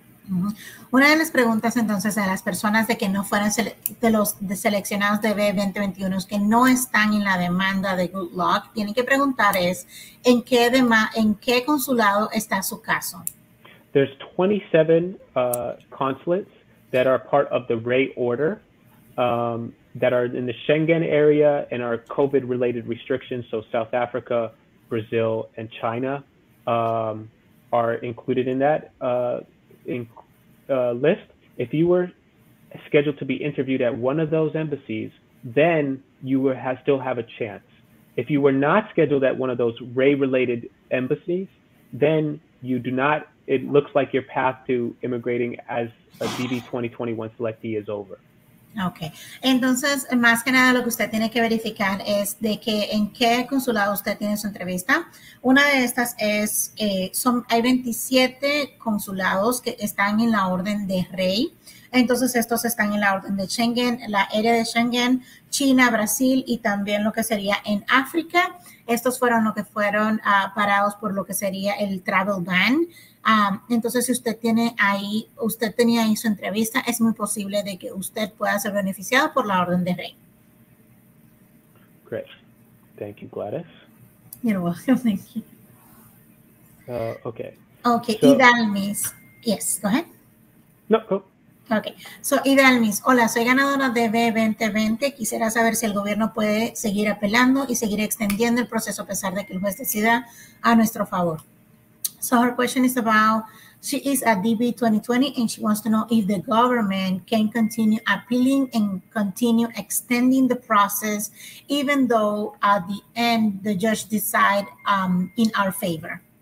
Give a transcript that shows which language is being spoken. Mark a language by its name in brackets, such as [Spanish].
[Spanish] Una de las preguntas entonces a las personas de que no fueran de los seleccionados de B2021 que no están en la demanda de Good Luck, tienen que preguntar es, ¿en qué consulado está su caso? [English] There's 27 consulates that are part of the RAE order that are in the Schengen area and are COVID-related restrictions. So South Africa, Brazil, and China are included in that list. If you were scheduled to be interviewed at one of those embassies, then you still have a chance. If you were not scheduled at one of those RAE-related embassies, then you do not, it looks like your path to immigrating as a DB 2021 selectee is over. Okay. [Spanish] Entonces, más que nada, lo que usted tiene que verificar es de que en qué consulado usted tiene su entrevista. Una de estas es, hay 27 consulados que están en la orden de RAE. Entonces, estos están en la orden de Schengen, la área de Schengen, China, Brasil y también lo que sería en África. Estos fueron lo que fueron parados por lo que sería el travel ban. Entonces, si usted tiene ahí, usted tenía ahí su entrevista, es muy posible de que usted pueda ser beneficiado por la orden de RAE. [English] Great. Thank you, Gladys. You're welcome. Thank you. Okay. Okay. So, Idalmis. Yes, go ahead. No, go. Okay. So, [Spanish] Idalmis, hola, soy ganadora de B2020. Quisiera saber si el gobierno puede seguir apelando y seguir extendiendo el proceso a pesar de que el juez decida a nuestro favor. [English] So her question is about, she is a DB 2020 and she wants to know if the government can continue appealing and continue extending the process, even though at the end the judge decide in our favor.